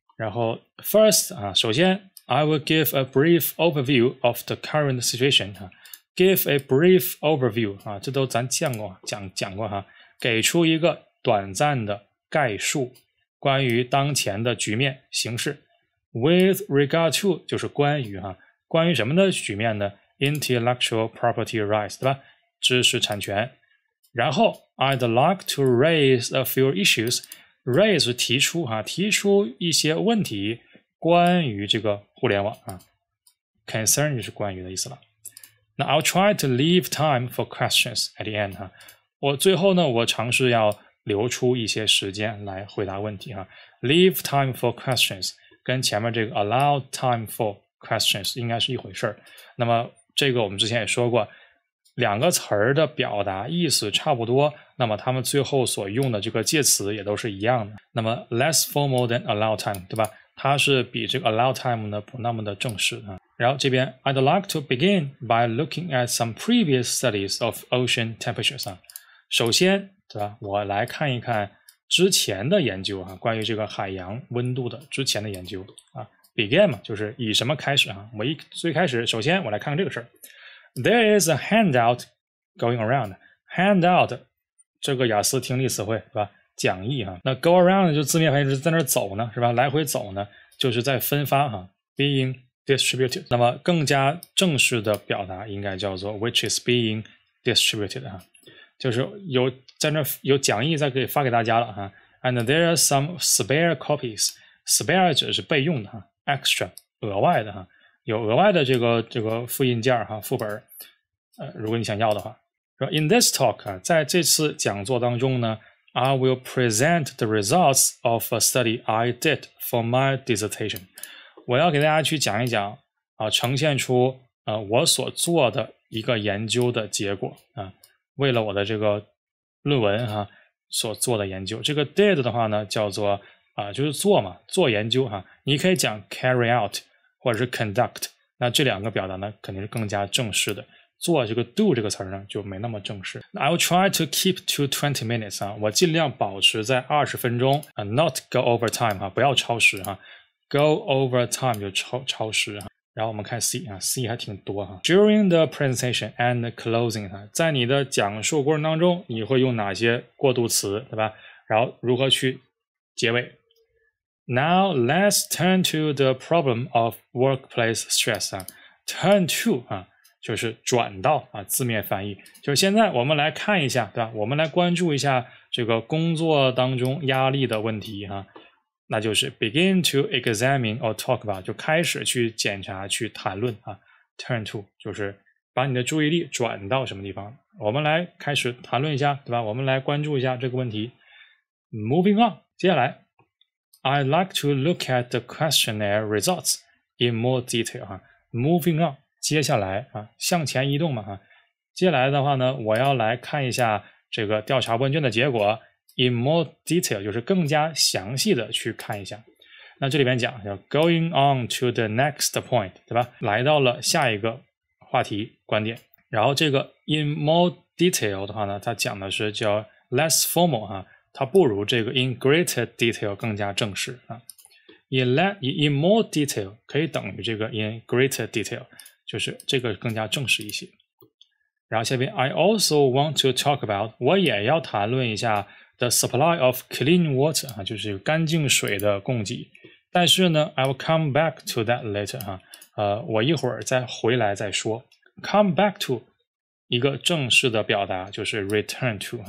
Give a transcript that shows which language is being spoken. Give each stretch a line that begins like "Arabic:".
Chinese: 然后 first, 啊首先
English: I will give a brief overview of the current situation.、
Chinese: 啊、
English: give a brief overview,
Chinese: 啊这都咱见过讲过啊给出一个短暂的概述关于当前的局面形势。
English: With regard to
Chinese: 就是关于哈、啊，关于什么的局面呢 ？
English: Intellectual property rights
Chinese: 对吧？知识产权。
English: 然后 I'd like to raise a few issues.
Chinese: Raise 提出哈、啊，提出一些问题关于这个互联网啊。 Concern 就是关于的意思了。
English: 那 I'll try to leave time for questions at the end 哈、啊。
Chinese: 我最后呢，我尝试要留出一些时间来回答问题哈、啊。
English: Leave time for questions.
Chinese: 跟前面这个 allow time for questions 应该是一回事儿。那么这个我们之前也说过，两个词儿的表达意思差不多，那么他们最后所用的这个介词也都是一样的。
English: 那么 less formal than allow time，
Chinese: 对吧？它是比这个 allow time 呢不那么的正式啊。
English: 然后这边 I'd like to begin by looking at some previous studies of ocean temperatures 啊。
Chinese: 首先，对吧？我来看一看。之前的研究啊关于这个海洋温度的之前的研究啊 ,
English: begin
Chinese: 嘛就是以什么开始啊我一最开始首先我来看看这个事儿。
English: There is a handout going around.
Chinese: Handout, 这个雅思听力词汇是吧讲义啊那 go around 就字面翻译是在那儿走呢是吧来回走呢就是在分发啊
English: being distributed。
Chinese: 那么更加正式的表达应该叫做
English: which is being distributed
Chinese: 哈，就是有在那有讲义在给发给大家了哈。
English: And there are some spare copies.
Chinese: Spare 指的是备用的哈 ，extra 额外的哈，有额外的这个复印件哈，副本。如果你想要的话，说
English: in this talk
Chinese: 啊，在这次讲座当中呢。
English: I will present the results of a study I did for my dissertation.
Chinese: 我要给大家去讲一讲、呈现出、我所做的一个研究的结果、为了我的这个论文、所做的研究。这个 did 的话呢叫做、就是做嘛，做研究、你可以讲 carry out 或者是 conduct， 那这两个表达呢肯定是更加正式的。做这个 do 这个词呢就没那么正式。
English: I will try to keep to 20 minutes 啊，
Chinese: 我尽量保持在20分钟、
English: not go over time 啊，
Chinese: 不要超时
English: 啊。
Chinese: Go over time 就超时啊。然后我们看 C 啊 ，C 还挺多啊。
English: During the presentation and the closing
Chinese: 啊，在你的讲述过程当中，你会用哪些过渡词，对吧？然后如何去结尾
English: ？Now let's turn to the problem of workplace stress 啊 ，turn to 啊。
Chinese: 就是转到啊，字面翻译就是现在我们来看一下，对吧？我们来关注一下这个工作当中压力的问题哈、那就是
English: begin to examine or talk about，
Chinese: 就开始去检查去谈论啊。 Turn to 就是把你的注意力转到什么地方，我们来开始谈论一下，对吧？我们来关注一下这个问题。
English: Moving on，
Chinese: 接下来
English: ，I'd like to look at the questionnaire results in more detail 哈、Moving on。
Chinese: 接下来啊，向前移动嘛哈、接下来的话呢，我要来看一下这个调查问卷的结果 ，
English: in more detail，
Chinese: 就是更加详细的去看一下。那这里边讲叫
English: going on to the next point，
Chinese: 对吧？来到了下一个话题观点。然后这个 in more detail 的话呢，它讲的是叫
English: less formal
Chinese: 哈、它不如这个
English: in greater detail
Chinese: 更加正式啊。 In more detail 可以等于这个 in greater detail。就是这个更加正式一些。然后下边
English: I also want to talk about，
Chinese: 我也要谈论一下
English: the supply of clean water，
Chinese: 就是干净水的供给。
English: 但是呢 I will come back to that later，
Chinese: 我一会儿再回来再说。 Come back to 一个正式的表达就是 return to。